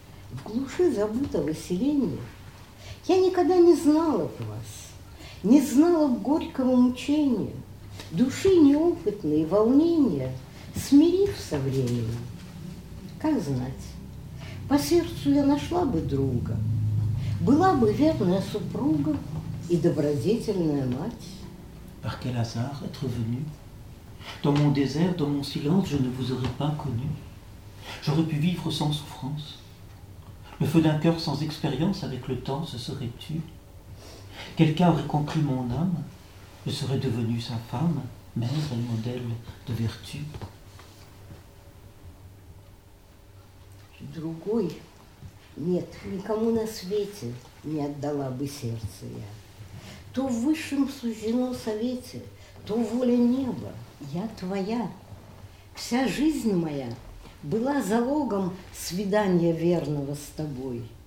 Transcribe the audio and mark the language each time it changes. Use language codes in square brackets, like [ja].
[ru] В глуши забытого селения я никогда не знала б вас, не знала б горького мучения, души неопытной, волнения, смирив со временем. Как знать, по сердцу я нашла бы друга, была бы верная супруга, et добродетельная мать. [fr] Par quel hasard être venu? Dans mon désert, dans mon silence, je ne vous aurais pas connu. J'aurais pu vivre sans souffrance. Le feu d'un cœur sans expérience avec le temps se serait tu. Quelqu'un aurait compris mon âme. Je serais devenue sa femme, mère et modèle de vertu. [ru] другой, нет, никому на свете не отдала бы сердце я. То в высшем суждено совете, то воля неба, я твоя. Вся жизнь моя была залогом свидания верного с тобой.